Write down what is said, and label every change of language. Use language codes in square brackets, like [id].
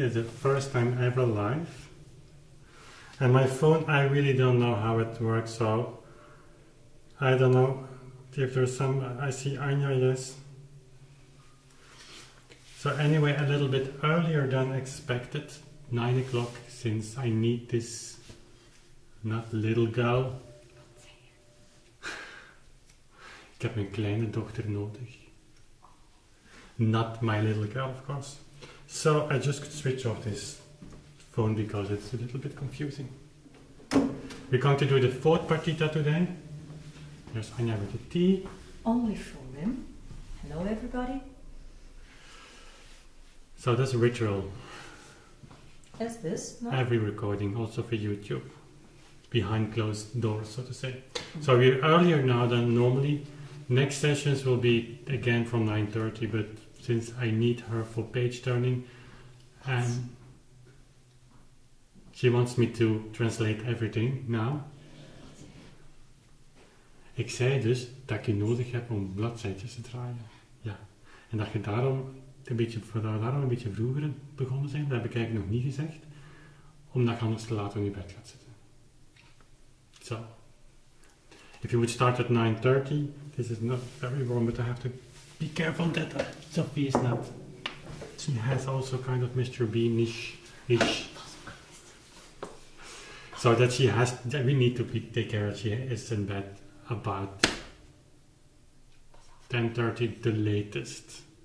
[en] It's the first time ever live, and my phone, I really don't know how it works, so I don't know if there's some, I see Anya, yes. So anyway, a little bit earlier than expected, 9 o'clock, since I need this, not little girl. [nl] Ik heb mijn kleine dochter nodig. [en] Not my little girl, of course. So I just could switch off this phone because it's a little bit confusing. We're going to do the fourth partita today. There's Anya with the tea. Only for men. Hello, everybody. So that's a ritual. Is this? No? Every recording, also for YouTube. Behind closed doors, so to say. Mm-hmm. So we're earlier now than normally. Next sessions will be again from 9:30, but since I need her for page turning, and she wants me to translate everything now. [nl] Ik zei dus dat je nodig hebt om bladzijtjes te draaien. Ja. En dat je daarom een beetje vroeger begonnen bent, dat heb ik eigenlijk nog niet gezegd, omdat je anders te laat in je bed gaat zitten. Zo. [en] If you would start at 9:30, this is not very warm, but I have to be careful that Sophie is not. She has also kind of Mr. Bean-ish. So that she has, that we need to take care of, she is in bed about 10:30 the latest.